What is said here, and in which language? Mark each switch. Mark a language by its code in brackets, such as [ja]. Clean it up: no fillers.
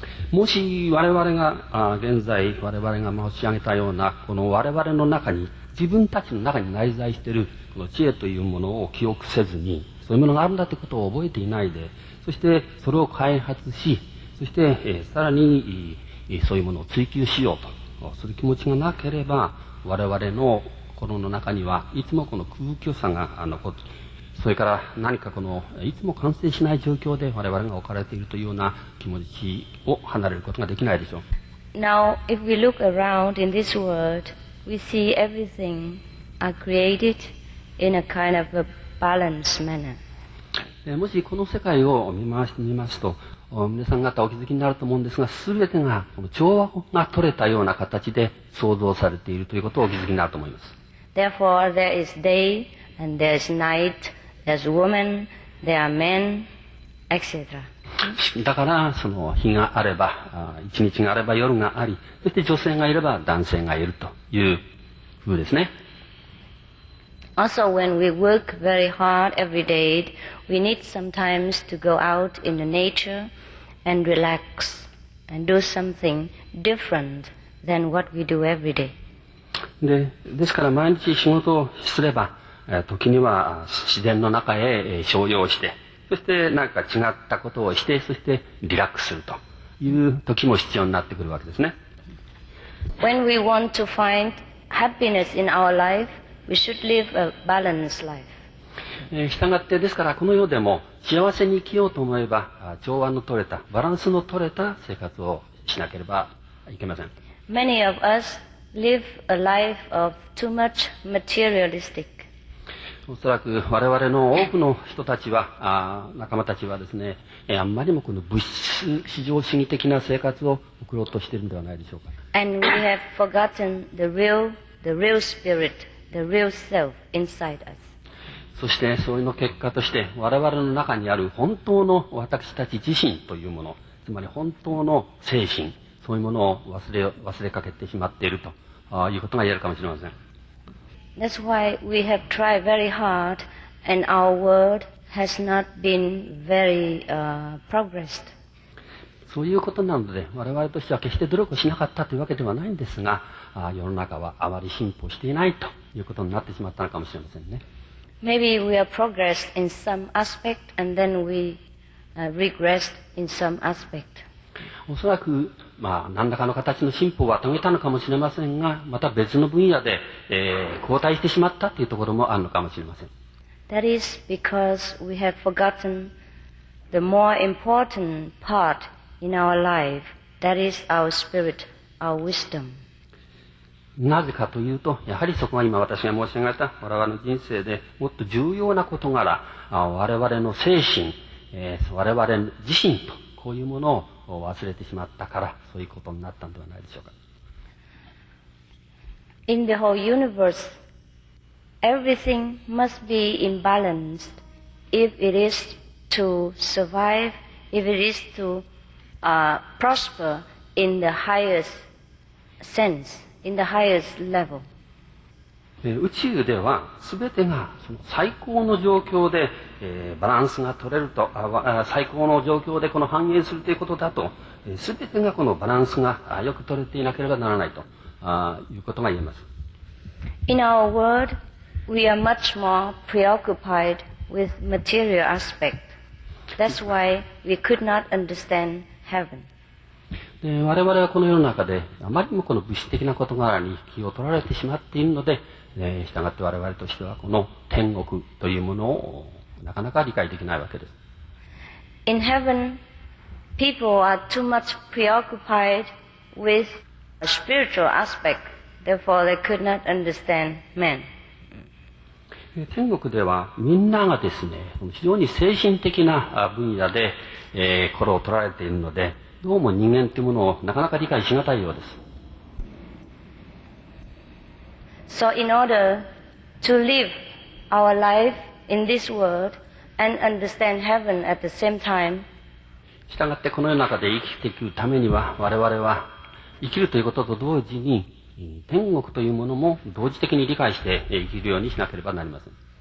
[ja] もし我々が現在我々が申し上げたようなこの我々の中に自分たちの中に内在しているこの知恵というものを記憶せずに、そういうものがあるんだということを覚えていないで、そしてそれを開発し、そしてさらにそういうものを追求しようとする気持ちがなければ、我々の心の中にはいつもこの空虚さが残って、それから何かこのいつも完成しない状況で我々が置かれているというような気持ちを離れることができないでしょう。 [en] Now, if we look around in this world, we see everything are created in a kind of a balanced manner. [ja] もしこの世界を見回してみますと、皆さん方お気づきになると思うんですが、すべてがこの調和が取れたような形で創造されているということをお気づきになると思います。 [en] Therefore, there is day and there is night, there is woman, there are men, etc. [ja] だからその日があれば、一日があれば夜があり、そして女性がいれば男性がいるというふうですね。 [en] Also, when we work very hard every day, we need sometimes to go out in the natureand relax and do something different than what we do every day. [ja] で、ですから毎日仕事をすれば、時には自然の中へ照耀して、そして何か違ったことをして、そしてリラックスするという時も必要になってくるわけですね。 [en] When we want to find happiness in our life, we should live a balanced life. [ja] したがってですからこの世でも幸せに生きようと思えば調和の取れたバランスの取れた生活をしなければいけません。 [en] Many of us live a life of too much materialistic. [ja] おそらく我々の多くの人たちは仲間たちはですね、あんまりもこの物質至上主義的な生活を送ろうとしているのではないでしょうか。 [en] And we have forgotten the real spirit, the real self inside us. [ja] そしてそういうの結果として我々の中にある本当の私たち自身というもの、つまり本当の精神、そういうものを忘れかけてしまっているということが言えるかもしれません。 [en] That's why we have tried very hard and our world has not been very progressed. [ja] そういうことなので我々としては決して努力をしなかったというわけではないんですが、世の中はあまり進歩していないということになってしまったのかもしれませんね。 [en] Maybe we are progressed in some aspect and then we regressed in some aspect. [ja] おそらく、何らかの形の進歩は遂げたのかもしれませんが、また別の分野で、後退してしまったというところもあるのかもしれません。 [en] That is because we have forgotten the more important part in our life, that is our spirit, our wisdom. [ja] なぜかというと、やはりそこが今私が申し上げた我々の人生でもっと重要な事柄、我々の精神、我々自身とこういうものを忘れてしまったからそういうことになったのではないでしょうか。 [en] In the whole universe, everything must be imbalanced if it is to survive, if it is to prosper in the highest sense. In the highest level. [ja] 宇宙では全てがその最高の状況で、バランスが取れると最高の状況でこの繁栄するということだと、全てがこのバランスがよく取れていなければならないということが言えます。 [en] In our world, we are much more preoccupied with material aspect. That's why we could not understand heaven. [ja] 我々はこの世の中であまりにもこの物質的な事柄に気を取られてしまっているので、したがって我々としてはこの天国というものをなかなか理解できないわけです。 [en] In heaven, people are too much preoccupied with a spiritual aspect, therefore they could not understand men. [ja] 天国ではみんながですね、非常に精神的な分野で、心を取られているので、どうも人間というものをなかなか理解しがたいようです。 [en] So in order to live our life in this world and understand heaven at the same time, [ja] したがってこの世の中で生きていくためには我々は生きるということと同時に天国というものも同時的に理解して生きるようにしなければなりません。